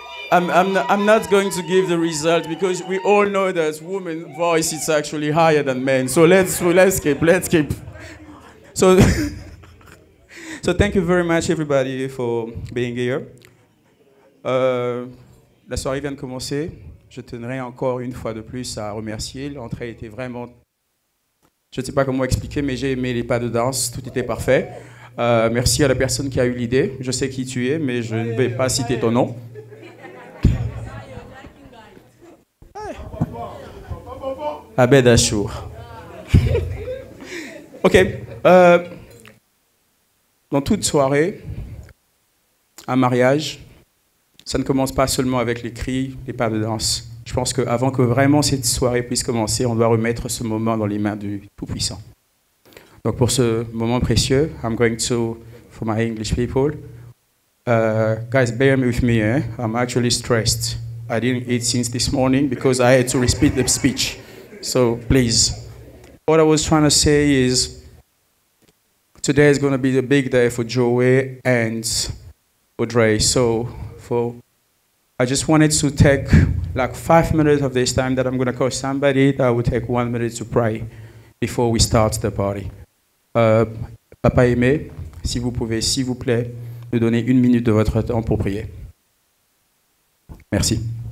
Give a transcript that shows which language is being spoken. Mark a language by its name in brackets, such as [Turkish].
[English] I'm not going to give the result because we all know that women's voice is actually higher than men. So let's keep. So thank you very much everybody for being here. [French] La soirée vient de commencer. Je tiendrai encore une fois de plus à remercier. L'entrée était vraiment... Je ne sais pas comment expliquer, mais j'ai aimé les pas de danse. Tout était parfait. Merci à la personne qui a eu l'idée. Je sais qui tu es, mais je ne vais pas citer ton nom. Abed Achour. OK. Dans toute soirée, un mariage, ça ne commence pas seulement avec les cris, les pas de danse. Je pense qu'avant que vraiment cette soirée puisse commencer, on doit remettre ce moment dans les mains du Tout-Puissant. Donc pour ce moment précieux, [English] I'm going to, for my English people, guys, bear with me, eh? I'm actually stressed. I didn't eat since this morning because I had to repeat the speech. So please, what I was trying to say is, today is going to be the big day for Joey and Audrey. So I just wanted to take like 5 minutes of this time that I'm going to call somebody that will take 1 minute to pray before we start the party. [French] Papa Aimé, si vous pouvez, s'il vous plaît, nous donner 1 minute de votre temps pour prier. Merci.